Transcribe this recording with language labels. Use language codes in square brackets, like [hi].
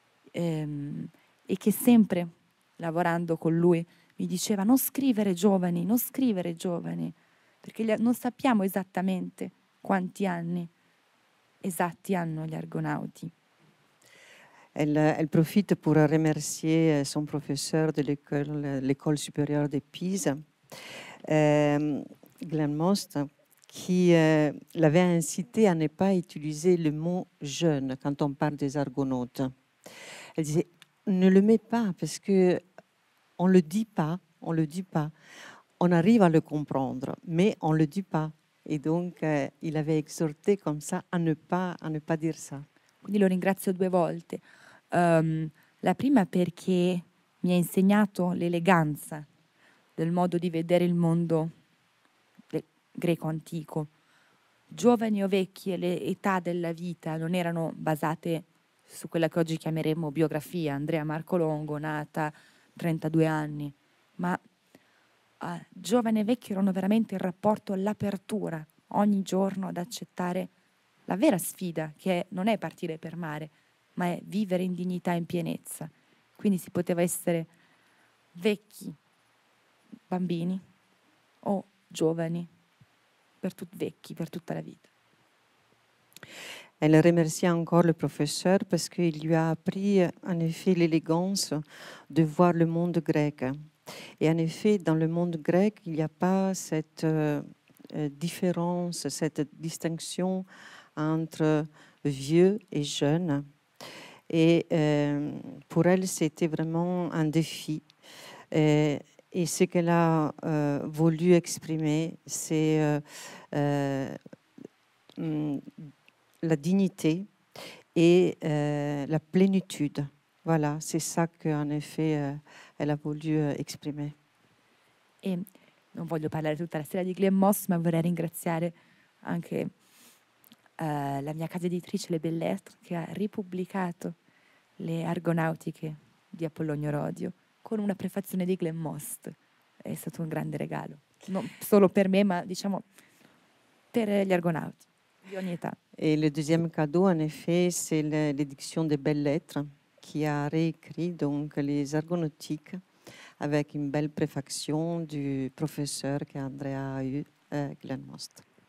[it] e che sempre lavorando con lui mi diceva: non scrivere giovani, non scrivere giovani, perché non sappiamo esattamente quanti anni esatti hanno gli Argonauti. [fr] Elle profite pour remercier son professeur de l'école supérieure de Pise, Glenn Most, qui l'avait incité à ne pas utiliser le mot « jeune » quand on parle des Argonautes. Elle disait « ne le mets pas, parce qu'on ne le dit pas, on ne le dit pas. On arrive à le comprendre, mais on ne le dit pas. » Et donc, il avait exhorté comme ça à ne pas dire ça. [it] Quindi lo ringrazio due volte. La prima perché mi ha insegnato l'eleganza del modo di vedere il mondo del greco antico. Giovani o vecchi, le età della vita non erano basate su quella che oggi chiameremo biografia. Andrea Marco Longo, nata 32 anni. Ma giovani e vecchi erano veramente il rapporto all'apertura, ogni giorno ad accettare la vera sfida, che non è partire per mare, ma è vivere in dignità e in pienezza. Quindi si poteva essere vecchi, bambini, o giovani, vecchi per tutta la vita. [fr] Elle remercie encore le professeur parce qu'il lui a appris en effet l'élégance de voir le monde grec. Et en effet, dans le monde grec, il n'y a pas cette différence, cette distinction entre vieux et jeune. Et pour elle, c'était vraiment un défi. Et ce qu'elle a voulu exprimer, c'est la dignité et la plénitude. Voilà, c'est ça qu'en effet, elle a voulu exprimer. [it] Et non voglio parlare tutta la sera di Glenn Moss, ma vorrei ringraziare anche la mia casa editrice, Le Belles Lettres, che ha ripubblicato Le Argonautiche di Apollonio Rodio con una prefazione di Glenn Most. È stato un grande regalo, non solo per me, ma diciamo per gli Argonauti di ogni età. E il [fr] deuxième cadeau, en effet, c'est l'édition des Belles Lettres qui a réécrit donc les Argonautiques avec une belle préfaction du professeur che Andrea a eu, Glenn Most.